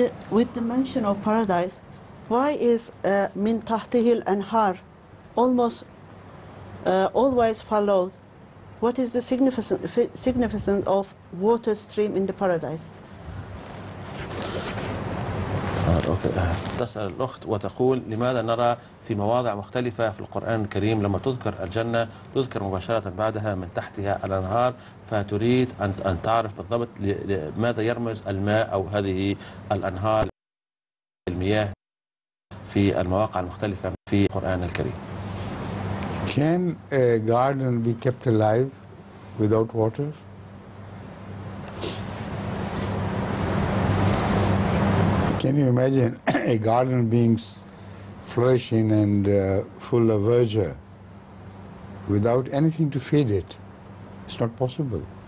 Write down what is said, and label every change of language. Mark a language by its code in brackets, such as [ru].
[en] With the mention of paradise, why is min tahtihi al-anhar almost always followed? What is the significance of water stream in the paradise? [ar] تسأل الأخت وتقول: لماذا نرى في مواضع مختلفة في القرآن الكريم لما تذكر الجنة تذكر مباشرة بعدها من تحتها الأنهار؟ فتريد أن تعرف بالضبط لماذا يرمز الماء أو هذه الأنهار المياه في المواقع المختلفة في القرآن الكريم. [en] Can a garden be kept alive without water? Can you imagine a garden being flourishing and full of verdure without anything to feed it? It's not possible.